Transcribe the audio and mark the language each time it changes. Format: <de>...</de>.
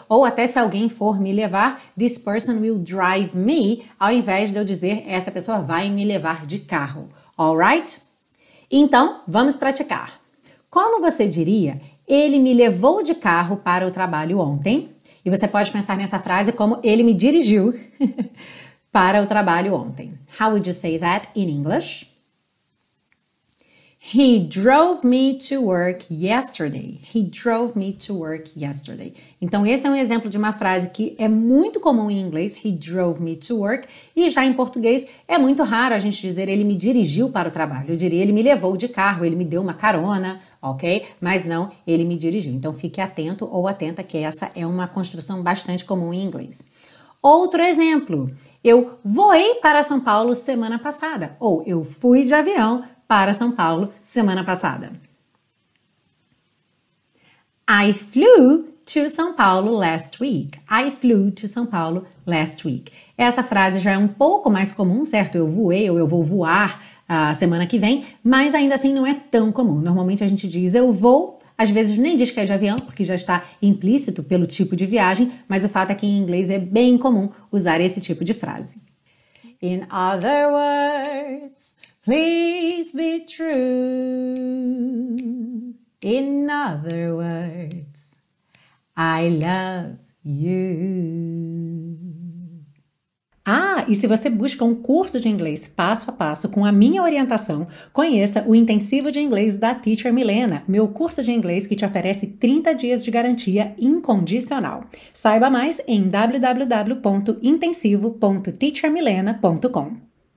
<pt>Ou até se alguém for me levar,</pt> <en>this person will drive me,</en> <pt>ao invés de eu dizer, essa pessoa vai me levar de carro.</pt> <en>Alright?</en> <pt>Então, vamos praticar. Como você diria, ele me levou de carro para o trabalho ontem? E você pode pensar nessa frase como, ele me dirigiu para o trabalho ontem.</pt> <en>How would you say that in English? He drove me to work yesterday. He drove me to work yesterday.</en> <pt>Então, esse é um exemplo de uma frase que é muito comum em inglês.</pt> <en>He drove me to work.</en> <pt>E já em português, é muito raro a gente dizer ele me dirigiu para o trabalho. Eu diria ele me levou de carro, ele me deu uma carona, ok? Mas não, ele me dirigiu. Então, fique atento ou atenta que essa é uma construção bastante comum em inglês. Outro exemplo. Eu voei para São Paulo semana passada. Ou eu fui de avião para São Paulo semana passada.</pt> <en>I flew to São Paulo last week. I flew to São Paulo last week.</en> <pt>Essa frase já é um pouco mais comum, certo? Eu voei ou eu vou voar a semana que vem, mas ainda assim não é tão comum. Normalmente a gente diz eu vou, às vezes nem diz que é de avião, porque já está implícito pelo tipo de viagem, mas o fato é que em inglês é bem comum usar esse tipo de frase.</pt> <en>In other words, please be true. In other words, I love you.</en> <pt>Ah, e se você busca um curso de inglês passo a passo com a minha orientação, conheça o Intensivo de Inglês da Teacher Milena, meu curso de inglês que te oferece 30 dias de garantia incondicional. Saiba mais em www.intensivo.teachermilena.com.</pt>